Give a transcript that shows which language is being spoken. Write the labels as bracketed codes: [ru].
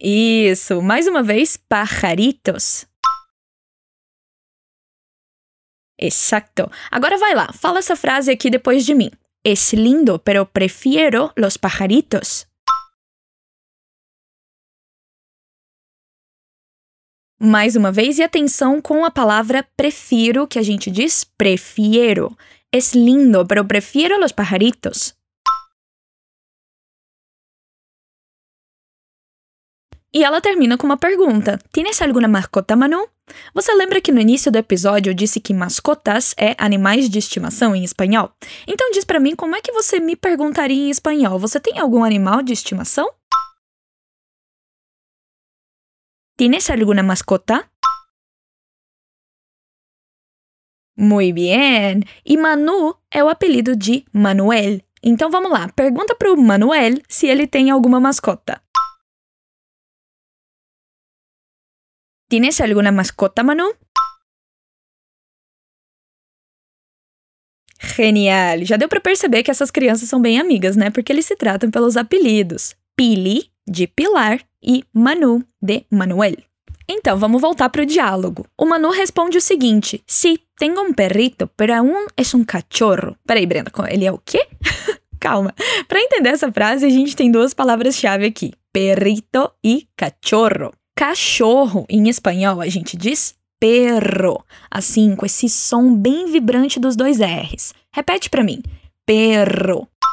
[pt] Isso, mais uma vez, pajaritos. [es] Exacto. [pt] Agora vai lá, fala essa frase aqui depois de mim. [es] Es lindo, pero prefiero los pajaritos. [pt] Mais uma vez, e atenção com a palavra prefiro, que a gente diz prefiero. [es] Es lindo, pero prefiero los pajaritos. [pt] E ela termina com uma pergunta. [es] ¿Tienes alguna mascota, Manu? [pt] Você lembra que no início do episódio eu disse que mascotas é animais de estimação em espanhol? Então diz pra mim como é que você me perguntaria em espanhol. Você tem algum animal de estimação? [es] ¿Tienes alguna mascota? Muy bien. [pt] E Manu é o apelido de Manuel. Então vamos lá. Pergunta pro Manuel se ele tem alguma mascota. [es] ¿Tienes alguna mascota, Manu? [pt] Genial! Já deu para perceber que essas crianças são bem amigas, né? Porque eles se tratam pelos apelidos. Pili, de Pilar, e Manu, de Manuel. Então, vamos voltar para o diálogo. O Manu responde o seguinte. [es] Sí, tengo un perrito, pero aún es un cachorro. [pt] Peraí, Brenda, ele é o quê? Calma. Para entender essa frase, a gente tem duas palavras-chave aqui. Perrito e cachorro. Cachorro, em espanhol, a gente diz perro, assim, com esse som bem vibrante dos dois R's. Repete para mim, perro.